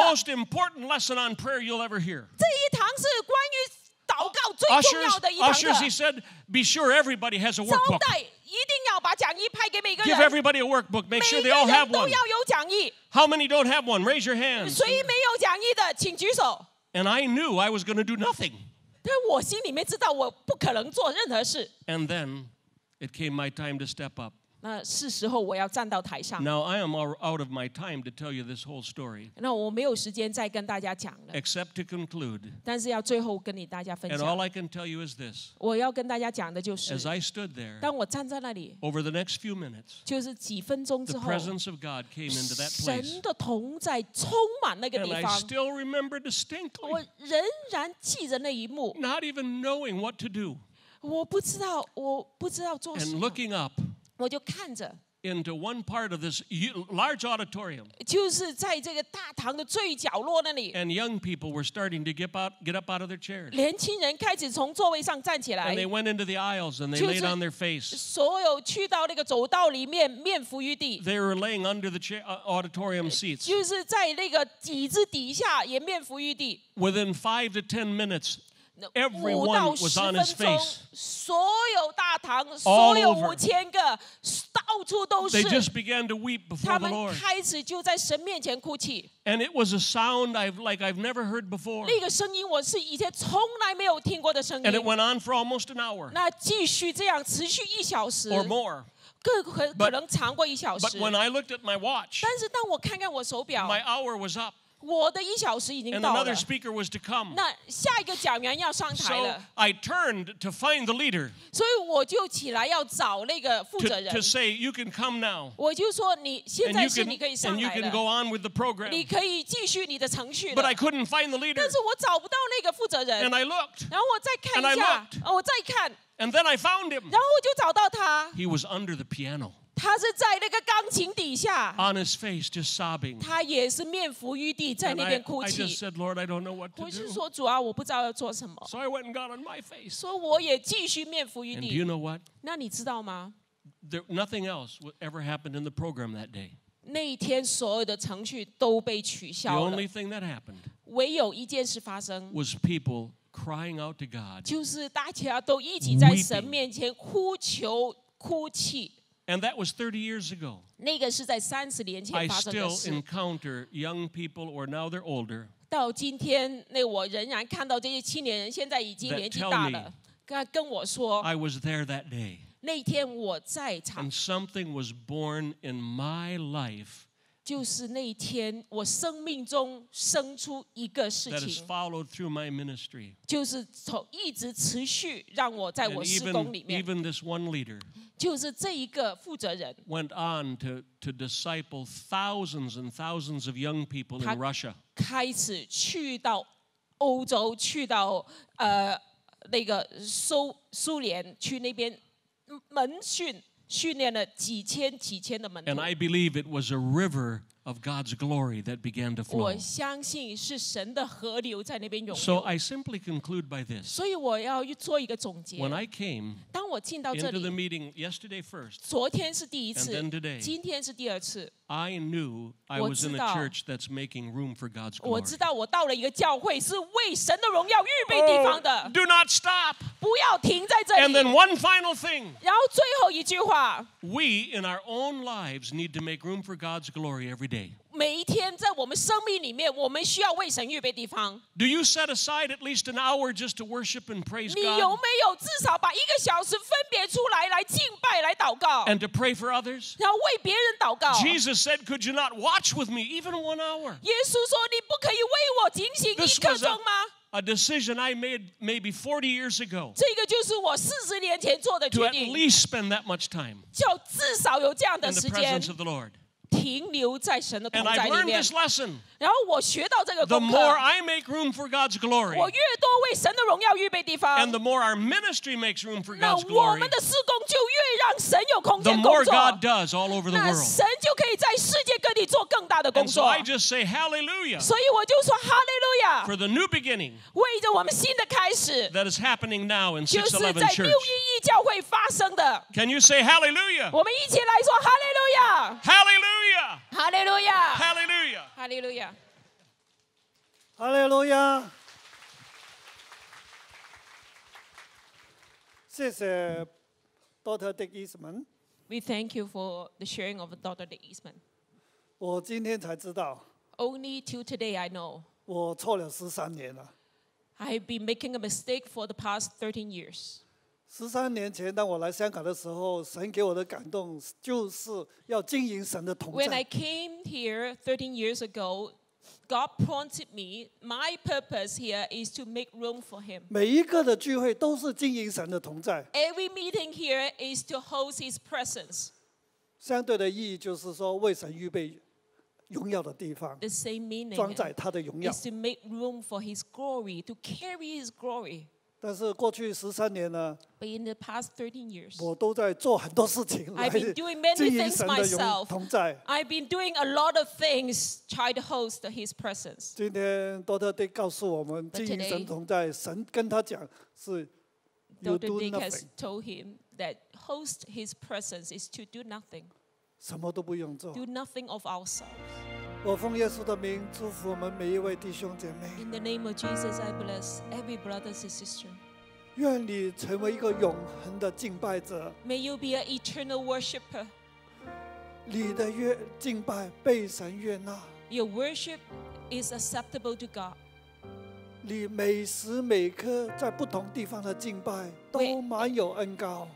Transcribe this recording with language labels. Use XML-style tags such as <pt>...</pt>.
<en>It's the most important lesson on prayer you'll ever hear.</en> <zh>这一堂是关于祷告最重要的一堂课。</zh> <en>Ushers, he said, "Be sure everybody has a workbook."</en> <zh>招待一定要把讲义派给每个人。</zh> <en>Give everybody a workbook. Make sure they all have one.</en> <zh>每个人都要有讲义。</zh> <en>How many don't have one? Raise your hands.</en> <zh>谁没有讲义的，请举手。</zh> <en>And I knew I was going to do nothing.</en> <zh>但我心里面知道我不可能做任何事。</zh> <en>And then it came my time to step up.</en> <zh>那是时候我要站到台上。</zh> <en>Now I am out of my time to tell you this whole story.</en> <zh>那我没有时间再跟大家讲了。</zh> <en>Except to conclude.</en> <zh>但是要最后跟你大家分享。</zh> <en>And all I can tell you is this.</en> <zh>我要跟大家讲的就是。</zh> <en>As I stood there.</en> <zh>当我站在那里。</zh> <en>Over the next few minutes.</en> <zh>就是几分钟之后。</zh> <en>The presence of God came into that place.</en> <zh>神的同在充满那个地方。</zh> <en>And I still remember distinctly.</en> <zh>我仍然记得那一幕。</zh> <en>Not even knowing what to do. And looking up,</en> <zh>我就看着</zh> <en>into one part of this large auditorium,</en> <zh>就是在这个大堂的最角落那里</zh> <en>and young people were starting to get up out of their chairs.</en> <zh>年轻人开始从座位上站起来</zh> <en>and they went into the aisles and they laid on their face.</en> <zh>所有去到那个走道里面面伏于地</zh> <en>they were laying under the auditorium seats.</en> <zh>就是在那个椅子底下也面伏于地</zh> <en>Within 5 to 10 minutes. Everyone was on his face.</en> <zh>所有大堂所有五千个到处都是</zh> <en>They just began to weep before the Lord.</en> <zh>他们开始就在神面前哭泣</zh> <en>And it was a sound I've never heard before.</en> <zh>那个声音我是以前从来没有听过的声音</zh> <en>And it went on for almost an hour.</en> <zh>那继续这样持续一小时</zh> <en>Or more.</en> <zh>可能长过一小时</zh> <en>But when I looked at my watch,</en> <zh>但是当我看看我手表</zh> <en>my hour was up.</en> <zh>我的一小时已经到了。</zh> <en>And another speaker was to come.</en> <zh>那下一个讲员要上台了。</zh> <en>So I turned to find the leader.</en> <zh>所以我就起来要找那个负责人。</zh> <en>To say you can come now.</en> <zh>我就说你现在是你可以上来。</zh> <en>And you can go on with the program.</en> <zh>你可以继续你的程序。</zh> <en>But I couldn't find the leader.</en> <zh>但是我找不到那个负责人。</zh> <en>And I looked.</en> <zh>然后我再看一下。</zh> <en>And I looked.</en> <zh>我再看。</zh> <en>And then I found him.</en> <zh>然后我就找到他。</zh> <en>He was under the piano.</en> <zh>他是在那个钢琴底下</zh> <en>on his face, just sobbing.</en> <zh>他也是面浮于地在那边哭泣</zh> <en>I just said, Lord, I don't know what to do.</en> <zh>我是说主啊我不知道要做什么</zh> <en>So I went and got on my face.</en> <zh>所以我也继续面浮于地</zh> <en>And do you know what?</en> <zh>那你知道吗</zh> <en>There, Nothing else ever happened in the program that day.</en> <zh>那一天所有的程序都被取消了</zh> <en>The only thing that happened</en> <zh>唯有一件事发生</zh> <en>was people crying out to God.</en> <zh>就是大家都一起在神面前哭求哭泣</zh> <en>And that was 30 years ago.</en> <zh>那个是在三十年前发生的事。</zh> <en>I still encounter young people, or now they're older.</en> <zh>到今天，那我仍然看到这些青年人现在已经年纪大了。跟我说</zh> <en>，I was there that day.</en> <zh>那天我在场。</zh> <en>And something was born in my life.</en> <zh>就是那天我生命中生出一个事情。</zh> <en>That has followed through my ministry.</en> <zh>就是从一直持续让我在我施工里面。</zh> <en>Even this one leader.</en> <zh>就是这一个负责人</zh> <en>went on to disciple thousands and thousands of young people in Russia.</en> <zh>他开始去到欧洲，去到那个苏联，去那边门训，训练了几千几千的门徒。</zh> <en>And I believe it was a river of God's glory that began to flow.</en> <zh>我相信是神的河流在那边涌流。</zh> <en>So I simply conclude by this.</en> <zh>所以我要做一个总结。</zh> <en>When I came. Into the meeting yesterday first.</en> <zh>昨天是第一次</zh> <en>And then today.</en> <zh>今天是第二次</zh> <en>I knew I was in a church that's making room for God's glory.</en> <zh>我知道我到了一个教会是为神的荣耀预备地方的</zh> <en>Do not stop.</en> <zh>不要停在这里</zh> <en>And then one final thing.</en> <zh>然后最后一句话</zh> <en>We in our own lives need to make room for God's glory every day.</en> <zh>每一天在我们生命里面，我们需要为神预备地方。</zh> <en>Do you set aside at least an hour just to worship and praise God?</en> <zh>你有没有至少把一个小时分别出来来敬拜、来祷告</zh> <en>？And to pray for others.</en> <zh>要为别人祷告。</zh> <en>Jesus said, "Could you not watch with me even 1 hour?"</en> <zh>耶稣说：“你不可以为我警醒一刻钟吗？”</zh> <en>This was a decision I made maybe 40 years ago.</en> <zh>这个就是我四十年前做的决定。</zh> <en>To at least spend that much time.</en> <zh>就至少有这样的时间。</zh> <en>In the presence of the Lord.</en> <zh>停留在神的同在里面。</zh> <en>And I learned this lesson.</en> <zh>然后我学到这个功课。</zh> <en>The more I make room for God's glory.</en> <zh>我越多为神的荣耀预备地方。</zh> <en>And the more our ministry makes room for God's glory.</en> <zh>那我们的事工就越让神有空间工作。</zh> <en>The more God does all over the world.</en> <zh>那神就可以在世界各地做更大的工作。</zh> <en>And so I just say hallelujah.</en> <zh>所以我就说 hallelujah.</zh> <en>For the new beginning.</en> <zh>为着我们新的开始。</zh> <en>That is happening now in 611 Church.</en> <zh>就是在611教会发生的。</zh> <en>Can you say hallelujah?</en> <zh>我们一起来说 hallelujah.</zh> <en>Hallelujah. Hallelujah! Hallelujah! Hallelujah! Hallelujah!</en> <zh>谢谢 Dr. Dick Eastman.</zh> <en>We thank you for the sharing of Dr. Dick Eastman.</en> <zh>我今天才知道</zh> <en>Only till today I know.</en> <zh>我错了13年了</zh> <en>I've been making a mistake for the past 13 years.</en> <zh>13年前，当我来香港的时候，神给我的感动就是要经营神的同在。</zh> <en>When I came here 13 years ago, God prompted me. My purpose here is to make room for Him.</en> <zh>每一个的聚会都是经营神的同在。</zh> <en>Every meeting here is to host His presence.</en> <zh>相对的意义就是说，为神预备荣耀的地方。</zh> <en>The same meaning.</en> <zh>装载他的荣耀。</zh> <en>Is to make room for His glory, to carry His glory.</en> <zh>但是过去十三年呢？</zh> <en>But in the past 13 years,</en> <zh>我都在做很多事情来经营神的同在。</zh> <en>I've been doing many things myself. I've been doing a lot of things trying to host His presence.</en> <zh>今天多特地告诉我们，经营神同在，神跟他讲是</zh> <en>you do nothing. Dr. Dick has told him that host His presence is to do nothing.</en> <zh>什么都不用做。</zh> <en>Do nothing of ourselves.</en> <zh>我奉耶稣的名祝福我们每一位弟兄姐妹。</zh> <en>In the name of Jesus, I bless every brother and sister.</en> <zh>愿你成为一个永恒的敬拜者。</zh> <en>May you be an eternal worshipper.</en> <zh>你的敬拜被神悦纳。</zh> <en>Your worship is acceptable to God.</en> <zh>你每时每刻在不同地方的敬拜都满有恩膏。</zh>